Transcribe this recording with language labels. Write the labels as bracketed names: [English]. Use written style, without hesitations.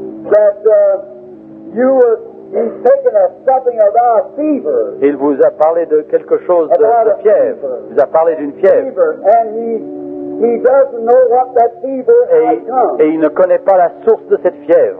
[English] That you were taking a something about a fever. [French] Il vous a parlé de quelque chose de fièvre. [English] Fever. [French] Il vous a parlé d'une fièvre. [English] And he doesn't know what that fever has come. [French] Et il ne connaît pas la source de cette fièvre.